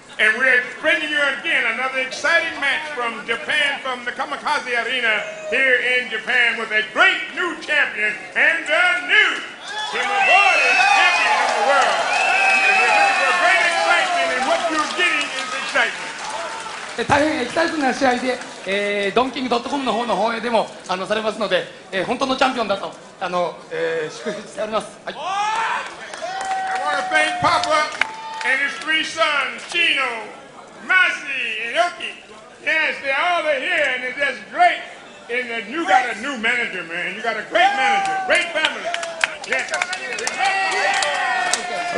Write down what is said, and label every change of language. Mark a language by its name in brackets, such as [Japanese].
[English] And we're bringing you again another exciting match from Japan, from the Kamikaze Arena here in Japan, with a great new champion and the new Kimibori champion of the world. And we're looking for great excitement, and what you're getting is excitement. [Japanese] 大変エキサイティングな試合で、ドンキング .com の方の放映でもされますので、本当のチャンピオンだと祝福しております。はい。 [English] I want to thank Papa. And his three sons, Chino, Masi, and Yoki. Yes, they're all here, and it's just great. And you got a new manager, man. You got a great manager, great family. Yes.